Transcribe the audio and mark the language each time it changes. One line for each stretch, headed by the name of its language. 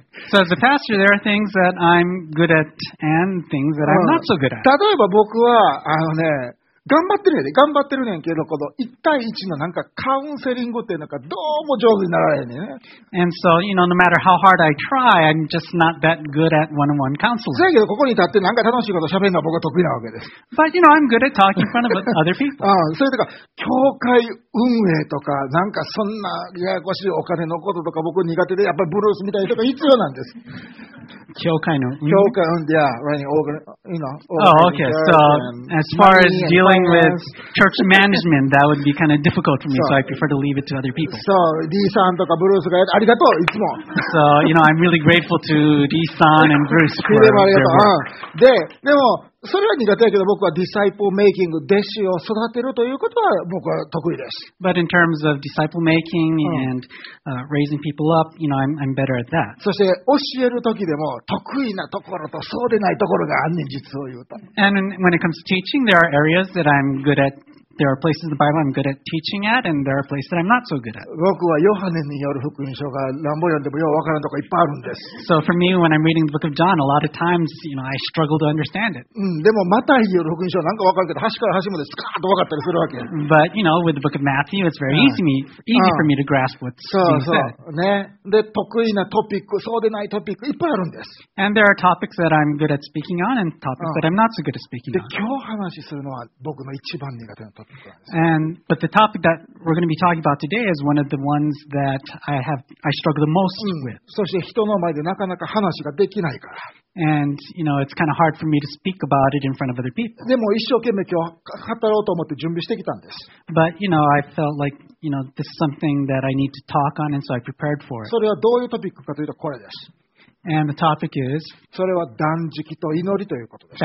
English: So as a pastor, there are things that I'm good at and things that I'm not so good at.
Japanese: 例えば僕はあのね、頑張ってるねんで、頑張ってるねんけど、この1対1のなんかカウンセリングっていうのがどうも上手になられへんねんね。
English: And so, you know, no matter how hard I try, I'm just not that good at one-on-one counseling.
Japanese: だけどここに立ってなんか楽しいこと喋るのは僕は得意なわけです。
English: But, you know, I'm good at talking in front of other people.
Japanese: ああ、それとか、教会運営とか、なんかそんなややこしいお金のこととか僕苦手で、やっぱりブルースみたいとか必要なんです。教会の教会運営、
English: yeah, running over, you know, over. Oh, okay. So, as far as dealing with church management, that would be kind of difficult for me, so I prefer to leave it to other people.
Japanese: So, D-san とかブルースがありがとう、いつも。
English: So, you know, I'm really grateful to D-san and Bruce for their work.
Japanese: でも、それは苦手だけど、僕は disciple making, 弟子を育てるということは僕は得意です。
English: But in terms of disciple making and raising people up, you know, I'm better at that.
Japanese: そして教えるときでも得意なところとそうでないところがあんねん、実を言うと。
English: And when it comes to teaching, there are areas that I'm good at. There are places in the Bible I'm good at teaching at, and there are places that I'm not so good at.
Japanese: 僕はヨハネによる福音書が何本読んでもようわからんとかいっぱいあるんです。
English: So for me, when I'm reading the book of John, a lot of times, you know, I struggle to understand it.
Japanese: でもマタイによる福音書なんかわかるけど、端から端までスカーッとわかったりするわけ。
English: But, you know, with the book of Matthew, it's very easy for me to grasp what's being said.
Japanese: そうそう。ね。で、得意なトピック、そうでないトピック、いっぱいあるんです。
English: And there are topics that I'm good at speaking on and topics that I'm not so good at speaking on.
Japanese: で、今日話しするのは僕の一番苦手なトピック。
English: But the topic that we're going to be talking about today is one of the ones that I struggle the most with.
Japanese: そして人の前でなかなか話ができないから。
English: And you know it's kind of hard for me to speak about it in front of other people.
Japanese: でも一生懸命今日語ろうと思って準備してきたんです。
English: But you know I felt like you know this is something that I need to talk on, and so I prepared for it.
Japanese: それはどういうトピックかというとこれです。
English: And the topic is
Japanese: それは断食と祈りということです。